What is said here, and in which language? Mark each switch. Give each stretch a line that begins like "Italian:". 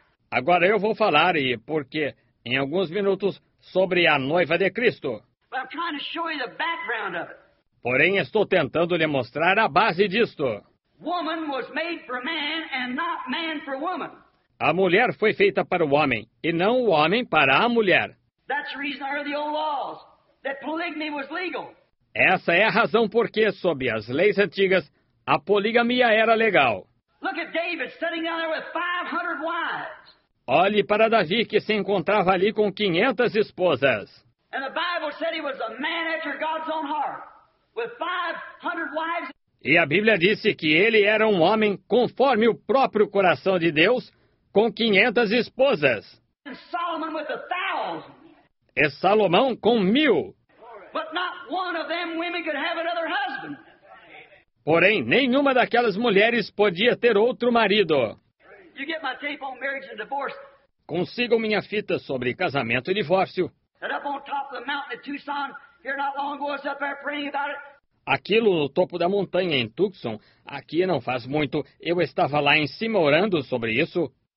Portuguese: Agora eu vou falar, e por quê, em alguns minutos, sobre a noiva de Cristo.
English: But I'm trying to show you the background of it.
Portuguese: Porém, estou tentando lhe mostrar a base disto.
English: Woman was made for man and not man for woman.
Portuguese: A mulher foi feita para o homem, e não o homem para a mulher.
English: That's the reason under the old laws that polygamy was legal.
Portuguese: Essa é a razão porque, sob as leis antigas, a poligamia era legal.
English: Look at David sitting down there with 500 wives.
Portuguese: Olhe para Davi, que se encontrava ali com 500 esposas.
English: And the Bible said he was a man after God's own heart, with 500 wives.
Portuguese: E a Bíblia disse que ele era um homem conforme o próprio coração de Deus, com 500 esposas.
English: And Solomon with 1,000.
Portuguese: E Salomão com 1,000.
English: But not one of them women could have another husband.
Portuguese: Porém, nenhuma daquelas mulheres podia ter outro marido.
English: You get my tape on marriage and divorce.
Portuguese: Consigam minha fita sobre casamento e divórcio.
English: And up on top of the mountain in Tucson, here not long ago, I was up there praying about it.
Portuguese: Aquilo no topo da montanha em Tucson, aqui não faz muito, eu estava lá em cima orando sobre isso.